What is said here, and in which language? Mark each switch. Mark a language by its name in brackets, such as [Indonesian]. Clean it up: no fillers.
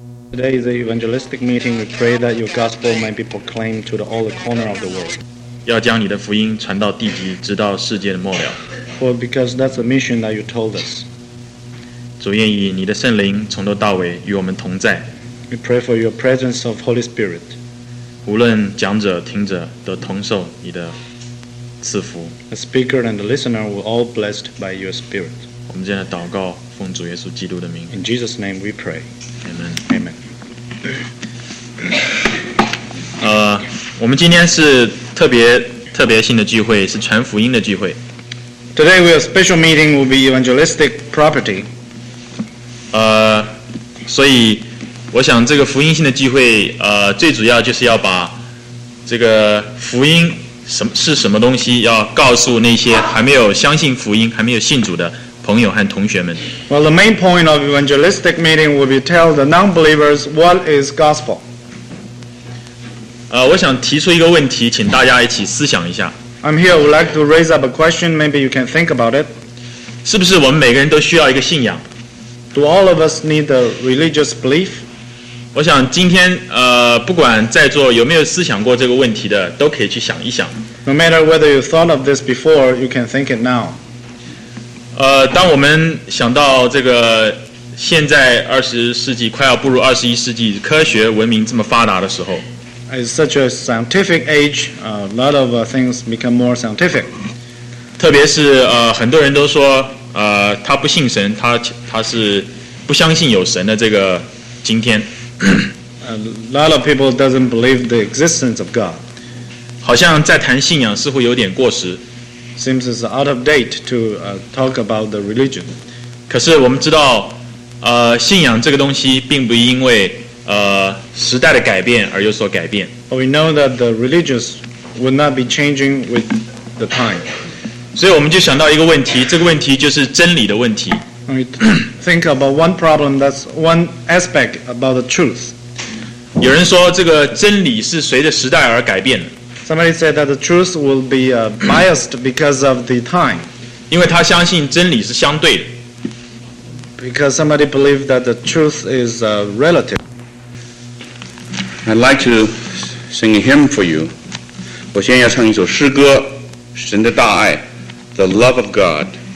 [English] Today is an evangelistic meeting. We pray that your gospel may be proclaimed to all the corner of the world. [Chinese] 要将你的福音传到地极，直到世界的末了。 [English] Well, because that's the mission that you told us. [Chinese] 主愿意你的圣灵从头到尾与我们同在。 [English] We pray for your presence of Holy Spirit. [Chinese] 无论讲者听者都同受你的赐福。 [English] The speaker and the listener were all blessed by your Spirit. [Chinese] 我们这样的祷告，奉主耶稣基督的名。 [English] In Jesus' name we pray. Amen. Amen. [Chinese] 我们今天是特别性的聚会，是传福音的聚会。 [English] Today we have a special meeting will be evangelistic property. [Chinese] 所以我想这个福音性的聚会，最主要就是要把这个福音是什么东西，要告诉那些还没有相信福音、还没有信主的朋友和同学们。 [English] Well, the main point of evangelistic meeting will be tell the non-believers what is gospel. [Chinese] 我想提出一个问题，请大家一起思想一下。 [English] I'm here. Would like to raise up a question. Maybe you can think about it. [Chinese] 是不是我们每个人都需要一个信仰？ [English] Do all of us need a religious belief? [Chinese] 我想今天，不管在座有没有思想过这个问题的，都可以去想一想。 [English] No matter whether you thought of this before, you can think it now. [Chinese] 当我们想到这个现在二十世纪快要步入二十一世纪，科学文明这么发达的时候。 [English] It's such a scientific age. A lot of things become more scientific. [Chinese] 特别是很多人都说他不信神，他是不相信有神的这个今天。 [English] A lot of people doesn't believe the existence of God. [Chinese] 好像在谈信仰似乎有点过时。 [English] Seems it's out of date to talk about the religion. [Chinese] 可是我们知道，信仰这个东西并不因为时代的改变而有所改变。 [English] We know that the religious would not be changing with the time. [Chinese] 所以我们就想到一个问题，这个问题就是真理的问题。 [English] We think about one problem, that's one aspect about the truth. [Chinese] 有人说这个真理是随着时代而改变的。 [English] Somebody said that the truth will be biased because of the time. [Chinese] 因为他相信真理是相对的。 [English] Because somebody believed that the truth is relative. I'd like to sing a hymn for you. [Chinese] 我先要唱一首诗歌，神的大爱， [English] The Love of God.